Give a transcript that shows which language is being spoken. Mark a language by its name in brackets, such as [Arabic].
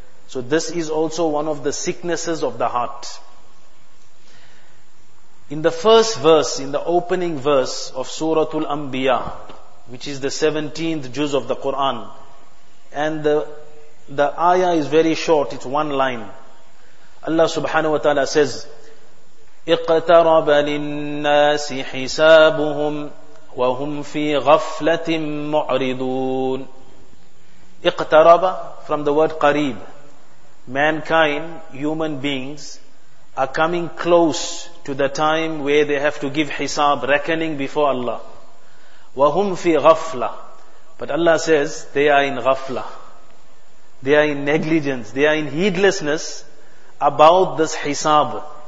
[English] So this is also one of the sicknesses of the heart. In the first verse, in the opening verse of Suratul Anbiya, which is the 17th juz of the Quran, and the ayah is very short, it's one line. Allah subhanahu wa ta'ala says, [Arabic] اِقْتَرَبَ لِلنَّاسِ حِسَابُهُمْ وَهُمْ فِي غَفْلَةٍ مُعْرِضُونَ. اِقْتَرَبَ, [English] from the word قَرِيب, mankind, human beings, are coming close to the time where they have to give hisab, reckoning before Allah. [Arabic] وَهُمْ فِي غَفْلَةٍ, [English] but Allah says, they are in ghafla, they are in negligence, they are in heedlessness about this hisab.